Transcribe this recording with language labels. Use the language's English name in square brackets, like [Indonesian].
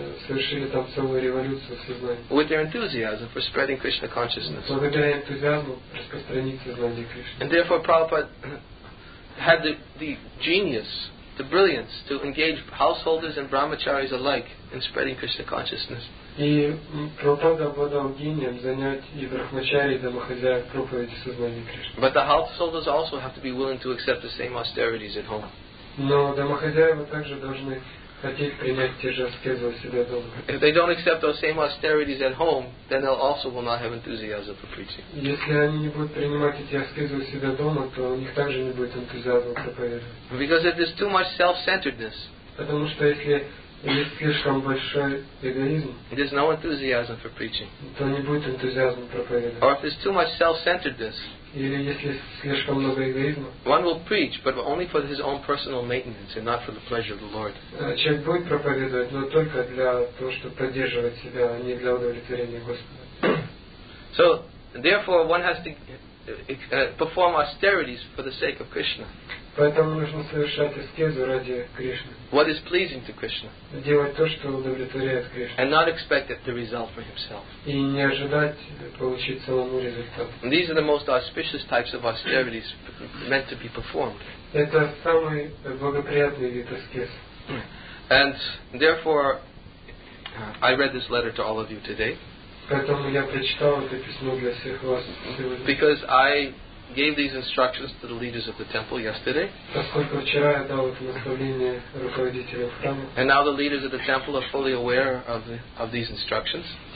[English] With their enthusiasm for spreading Krishna consciousness. And therefore Prabhupada had the genius, the brilliance to engage householders and brahmacharis alike in spreading Krishna consciousness. [Russian] И Прабхупада обладал гением занять и брахмачари, и домохозяев проповеди сознания Кришны. [English] But the householders also have to be willing to accept the same austerities at home. [Russian] Но домохозяева также должны хотеть принять те же аскезы у себя дома. [English] If they don't accept those same austerities at home, then they'll also will not have enthusiasm for preaching. [Russian] Если они не будут принимать эти аскезы у себя дома, то у них также не будет энтузиазма проповедовать. [English] Because if there's too much self-centeredness. [Russian] Потому что если есть слишком большой эгоизм. [English] There's no enthusiasm for preaching. [Russian] То не будет энтузиазма проповедовать. [English] Or if there's too much self-centeredness. [Russian] Или если слишком много эгоизма. [English] One will preach, but only for his own personal maintenance and not for the pleasure of the Lord. [Russian] Человек будет проповедовать, но только для того, чтобы поддерживать себя, а не для удовлетворения Господа. [English] So, therefore, one has to perform austerities for the sake of Krishna. [Russian] Поэтому нужно совершать аскезу ради Кришны. [English] What is pleasing to Krishna. [Russian] Делать то, что удовлетворяет Кришну. [English] And not expect the result for himself. [Russian] И не ожидать получить самому результат. [English] These are the most auspicious types of austerities meant to be performed. [Russian] Это самый благоприятный вид аскез. [English] And therefore, I read this letter to all of you today. [Russian] Поэтому я прочитал это письмо для всех вас сегодня. [English] Because I gave these instructions to the leaders of the temple yesterday. And now the leaders of the temple are fully aware of these instructions.